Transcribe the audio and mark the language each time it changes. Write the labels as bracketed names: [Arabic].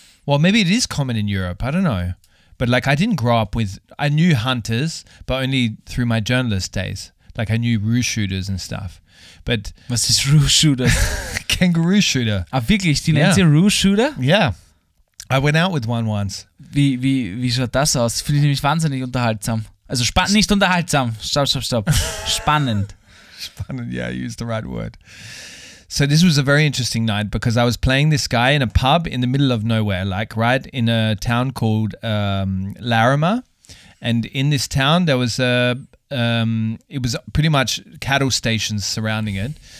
[English] Well, maybe it is common in Europe. I don't know. But like I didn't grow up with... I knew hunters, but only through my journalist days. Like I knew roo shooters and stuff. But [German] was ist roo shooter? [English] Kangaroo shooter. [German] Ah, wirklich? Die nennt sie roo shooter? [English] Yeah. I went out with one once. [German] Wie schaut das aus? Finde ich nämlich wahnsinnig unterhaltsam. Also nicht unterhaltsam. Stopp. Spannend. [English] Spannend, yeah, I used the right word. So this was a very interesting night because I was playing this guy in a pub in the middle of nowhere, like right in a town called Larimer. And in this town there was a, it was pretty much cattle stations surrounding it.